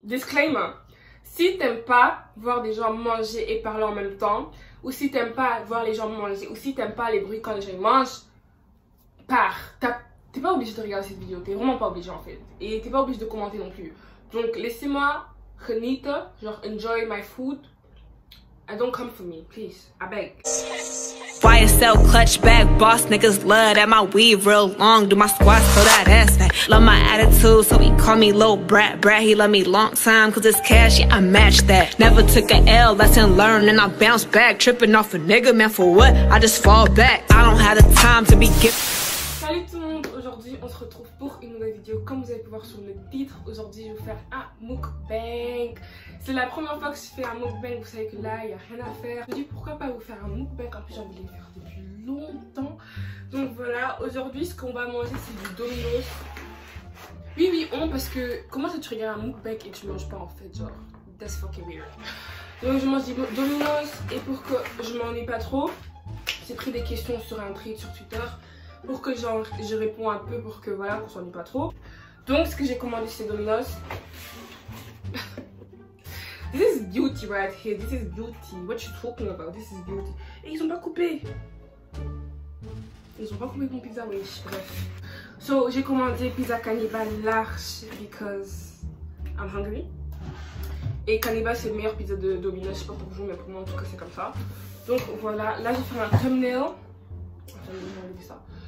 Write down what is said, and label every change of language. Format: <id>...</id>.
<fr>Disclaimer, si t'aimes pas voir des gens manger et parler en même temps, ou si t'aimes pas voir les gens manger, ou si t'aimes pas les bruits quand les gens mangent, pars. T'es pas obligé de regarder cette vidéo, t'es vraiment pas obligé en fait. Et t'es pas obligé de commenter non plus. Donc laissez-moi genieter, genre</fr> <en>enjoy my food. And don't come for me, please, I beg. YSL clutch bag, boss niggas love that my weave real long. Do my squats for that ass fat. Love my attitude, so he call me Lil Brat. Brat, he love me long time, cause it's cash, yeah, I match that. Never took an L, lesson learned, and I bounce back. Tripping off a nigga, man, for what? I just fall back. I don't have the time to be gifted.</en> <fr>Salut tout le monde, aujourd'hui on se retrouve pour une nouvelle vidéo. Comme vous avez pu voir sur le titre, aujourd'hui je vais faire un mukbang. C'est la première fois que je fais un mukbang, vous savez que là il n'y a rien à faire. Je me dis pourquoi pas vous faire un mukbang, en plus j'ai envie de le faire depuis longtemps. Donc voilà, aujourd'hui ce qu'on va manger c'est du Domino's. Oui oui on, parce que comment ça tu regardes un mukbang et tu manges pas en fait, genre,</fr> <en>that's fucking weird.</en> <fr>Donc je mange du Domino's et pour que je m'en ai pas trop, j'ai pris des questions sur un thread sur Twitter. Pour que je réponds un peu, pour que voilà, qu'on s'ennuie pas trop. Donc ce que j'ai commandé chez Domino's.</fr> <en>This is beauty right here, this is beauty. What you talking about, this is beauty.</en> <fr>Et ils ont pas coupé. Ils ont pas coupé mon pizza, wesh, bref. So j'ai commandé pizza cannibale large,</fr> <en>because I'm hungry.</en> <fr>Et cannibale c'est le meilleur pizza de Domino's, je sais pas pour vous, mais pour moi en tout cas c'est comme ça. Donc voilà, là j'ai fait un thumbnail. J'ai enlevé ça.</fr>